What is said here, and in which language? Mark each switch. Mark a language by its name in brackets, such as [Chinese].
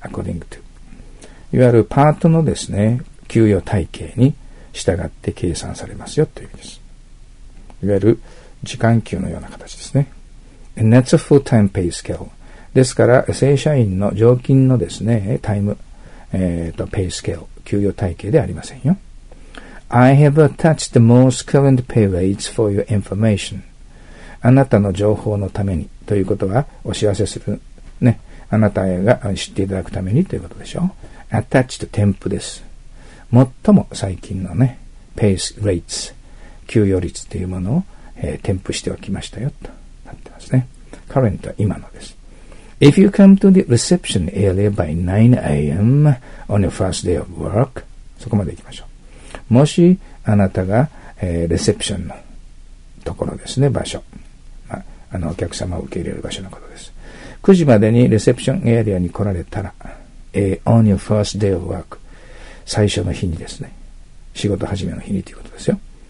[English] according to、 [Japanese] いわゆるパートのですね、給与体系に従って計算されますよという意味です。いわゆる時間給のような形ですね。 [English] and that's a full-time pay scale。 [Japanese] ですから正社員の常勤のですね、タイム、ペイスケール、給与体系ではありませんよ。 [English] I have attached the most current pay rates for your information。 [Japanese] あなたの情報のためにということは、お知らせするね、あなたが知っていただくためにということでしょう。 attached、 添付です。最も最近のね、ペイスレイツ、給与率というものを、添付しておきましたよとなってますね。 current は今のです。 [English] If you come to the reception area by 9 a.m. on your first day of work、 [Japanese] そこまで行きましょう。もしあなたが、レセプションのところですね、場所、まあ、あのお客様を受け入れる場所のことです。 9時までにレセプションエリアに来られたら、 [English] on your first day of work、 [Japanese] 最初の日にですね、仕事始めの日にということですよ。